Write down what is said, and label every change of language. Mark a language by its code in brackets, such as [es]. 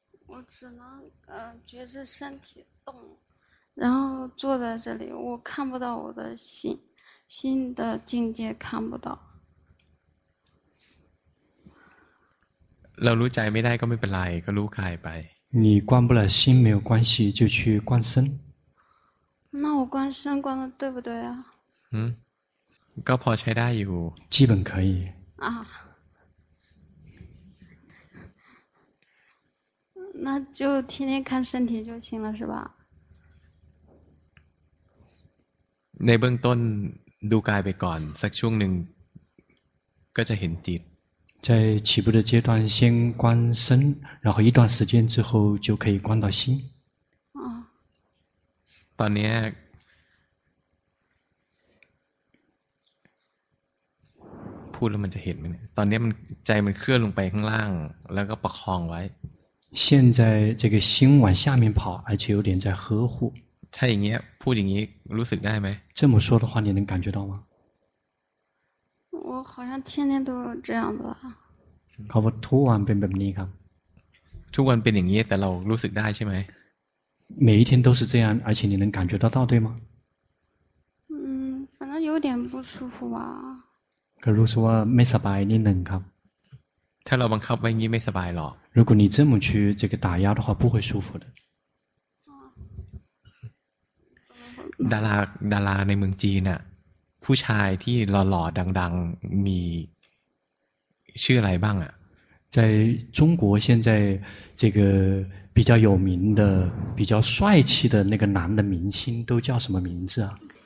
[zh] 我只能觉知身体动然后坐在这里我看不到我的心的境界看不到 [th] เรารู้ใจไม่ได้ก็ไม่เป็นไรก็รู้กายไป [zh] 你观不了心没有关系就去观身那我观身观的对不对啊 [th] ก็พอใช้ได้อยู่ [zh] 基本可以啊那就天天看身体就行了是吧 [th] ในเบื้องต้นดูกายไปก่อนสักช่วงหนึ่งก็จะเห็นจิต [zh] 在起步的阶段先观身然后一段时间之后就可以观到心 [th] ตอนนี้พูดแล้วมันจะเห็นไหมตอนนี้มันใจมันเคลื่อนลงไปข้างล่างแล้วก็ประคองไว้ [zh] 现在这个心往下面跑而且有点在呵护 [th] ถ้าอย่างนี้พูดอย่างนี้รู้สึกได้ไหม [zh] 这么说的话你能感觉到吗我好像天天都这样子啊。 [th] เขาบอกทุกวันเป็นแบบนี้ครับ。 ทุกวันเป็นอย่างนี้แต่เรารู้สึกได้ใช่ไหม？ [zh] 每一天都是这样，而且你能感觉得到，对吗？嗯，反正有点不舒服吧。 [th] ก็รู้สึกว่าไม่สบายนิดหนึ่งครับ。 ถ้าเราบังคับไว้งี้ไม่สบายหรอก。 [zh] 如果你这么去这个打压的话，不会舒服的。 [th] ดาราในเมืองจีนอะ。 ผู้ชายที่หล่อๆดังๆมีชื่ออะไรบ้างอ่ะ [zh] 在中国现在这个比较有名的比较帅气的那个男的明星都叫什么名字啊